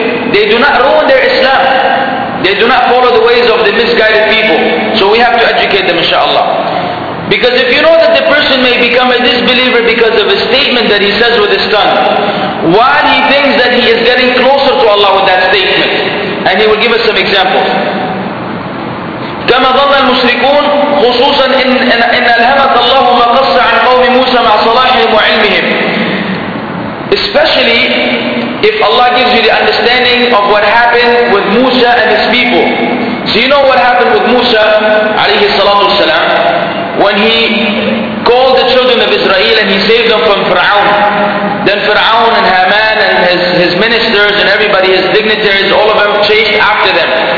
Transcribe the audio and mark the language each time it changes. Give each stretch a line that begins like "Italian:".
English: They do not ruin their Islam. They do not follow the ways of the misguided people. So we have to educate them, inshaAllah. Because if you know that the person may become a disbeliever because of a statement that he says with his tongue, while he thinks that he is getting closer to Allah with that statement. And he will give us some examples.
Arabic: كما ظن المشركون خصوصا إن ألهمت الله ما قص عن قوم موسى مع صلاحهم وعلمهم.
English: Especially if Allah gives you the understanding of what happened with Musa and his people. So you know what happened with Musa
Arabic: عليه الصلاة والسلام,
English: when he called the children of Israel and he saved them from Fir'aun. Then Fir'aun and Haman and his ministers and everybody, his dignitaries, all of them chased after them.